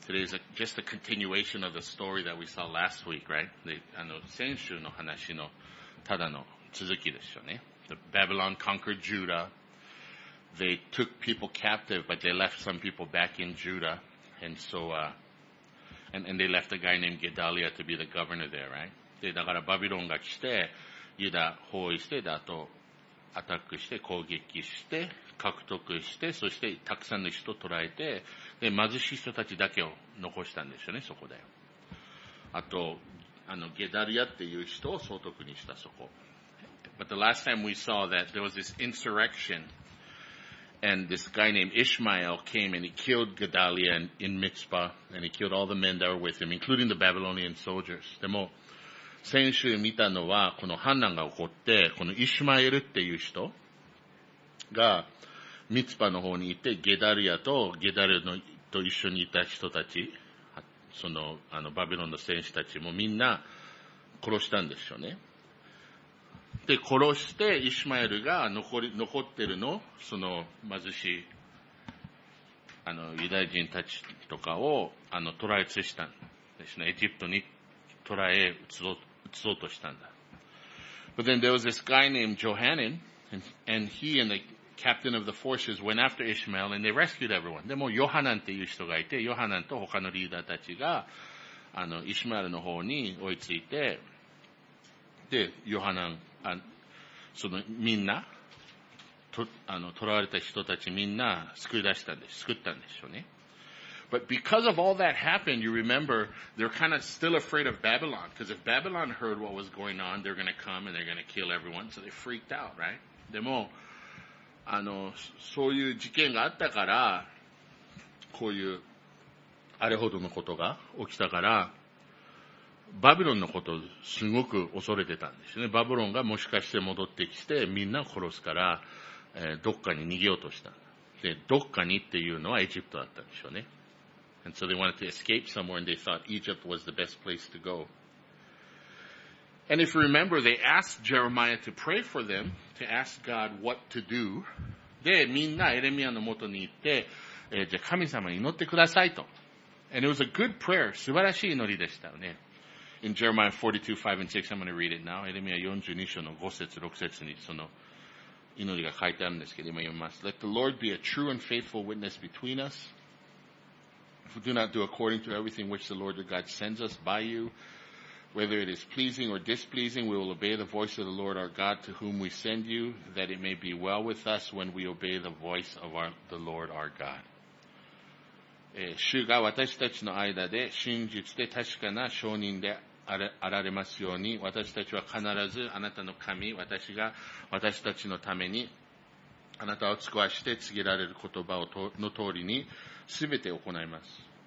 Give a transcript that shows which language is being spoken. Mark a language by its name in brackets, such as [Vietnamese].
[English] Today is just a continuation of the story that we saw last week, right? [Japanese] あの、先週の話のただの続きですよね。 [English] The Babylon conquered Judah. They took people captive, but they left some people back in Judah. And so, and they left a guy named Gedaliah to be the governor there, right? [Japanese] で、だからバビロンが来て、ユダ包囲して、で、あと、アタックして、攻撃して、獲得して、そして、たくさんの人を捕らえて、で、貧しい人たちだけを残したんですよね、そこで。あと、あの、ゲダリアっていう人を総督にした、そこ。 [English] But the last time we saw that there was this insurrection, and this guy named Ishmael came and he killed Gedaliah in Mizpah, and he killed all the men that were with him, including the Babylonian soldiers. [Japanese] でも、先週見たのは、この反乱が起こって、このイシュマエルっていう人が、ミツパの方にいて、ゲダリアと、ゲダリアのと一緒にいた人たち、その、あの、バビロンの戦士たちもみんな殺したんですよね。で、殺して、イシュマエルが残ってるの、その、貧しい、あの、ユダヤ人たちとかを、あの、捕らえ移したんですね、エジプトに。 [English] But then there was this guy named Johanan, and he and the captain of the forces went after Ishmael and they rescued everyone. [Japanese] でもヨハナンっていう人がいて、ヨハナンと他のリーダーたちが、あの、イシマエルの方に追いついて、で、ヨハナン、あ、そのみんな、と、あの、捕らわれた人たちみんな救ったんでしょうね。 [English] But because of all that happened, you remember, they're kind of still afraid of Babylon. Because if Babylon heard what was going on, they're going to come and they're going to kill everyone. So they freaked out, right? [Japanese] でも、あの、そういう事件があったから、こういう、あれほどのことが起きたから、バビロンのことをすごく恐れてたんですよね。バビロンがもしかして戻ってきて、みんな殺すから、どっかに逃げようとした。で、どっかにっていうのはエジプトだったんでしょうね。 [English] And so they wanted to escape somewhere and they thought Egypt was the best place to go. And if you remember, they asked Jeremiah to pray for them, to ask God what to do. [Japanese] で、みんなエレミアの元に行って、じゃあ神様に祈ってくださいと。 [English] And it was a good prayer. [Japanese] 素晴らしい祈りでしたよね。 [English] In Jeremiah 42, 5 and 6, I'm going to read it now. [Japanese] エレミア42章の5節、6節にその祈りが書いてあるんですけど、今読みます。 [English] Let the Lord be a true and faithful witness between us. Do not do according to everything which the Lord your God sends us by you. Whether it is pleasing or displeasing, we will obey the voice of the Lord our God to whom we send you, that it may be well with us when we obey the voice of the Lord our God. [Japanese] 主が私たちの間で真実で確かな証人であられますように、私たちは必ずあなたの神、私が私たちのためにあなたを使わして告げられる言葉をの通りに、すべて行います。